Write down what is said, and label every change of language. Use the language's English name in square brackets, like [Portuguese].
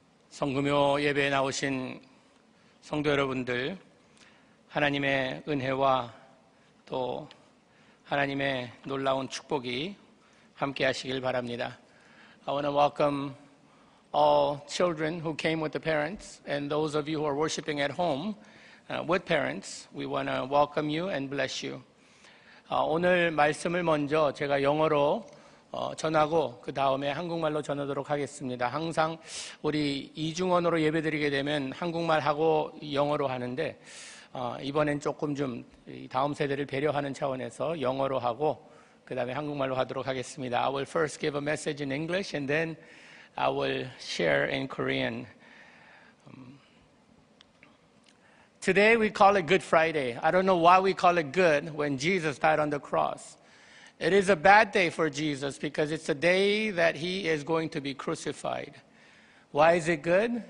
[Korean] 성금요 예배에 나오신 성도 여러분들, 하나님의 은혜와 또 하나님의 놀라운 축복이 함께 하시길 바랍니다. [English] I want to welcome all children who came with the parents and those of you who are worshiping at home with parents. We want to welcome you and bless you. [Korean] 오늘 말씀을 먼저 제가 영어로 전하고 그 다음에 한국말로 전하도록 하겠습니다. 항상 우리 이중언어로 예배드리게 되면 한국말하고 영어로 하는데 이번엔 조금 좀 다음 세대를 배려하는 차원에서 영어로 하고 그 다음에 한국말로 하도록 하겠습니다. [English] I will first give a message in English and then I will share in Korean. Today we call it Good Friday. I don't know why we call it good when Jesus died on the cross. It is a bad day for Jesus because it's the day that he is going to be crucified. Why is it good?